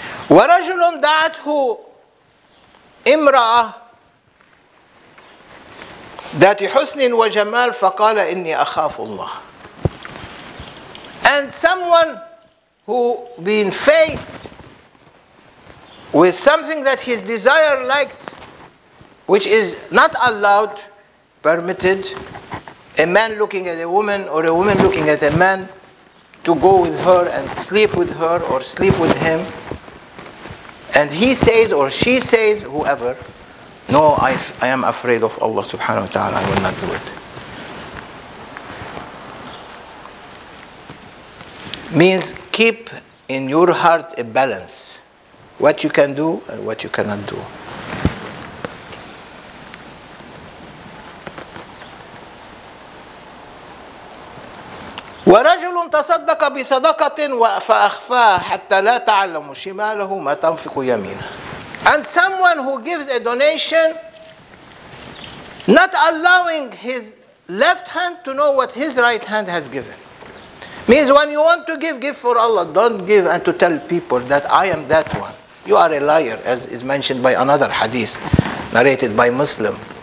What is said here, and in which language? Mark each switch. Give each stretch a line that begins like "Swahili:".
Arabic: ورجل دعته امرأة ذات حسن وجمال فقال إني أخاف الله.
English: And someone who been faith with something that his desire likes, which is not allowed, permitted, a man looking at a woman or a woman looking at a man, to go with her and sleep with her or sleep with him. And he says, or she says, whoever, no, I am afraid of Allah subhanahu wa ta'ala, I will not do it. Means keep in your heart a balance. What you can do and what you cannot do.
Arabic: ورجل تصدق بصدقة فأخفاه حتى لا تعلم شماله ما تنفق يمينه.
English: And someone who gives a donation, not allowing his left hand to know what his right hand has given. Means when you want to give for Allah. Don't give and to tell people that I am that one. You are a liar, as is mentioned by another hadith narrated by Muslim.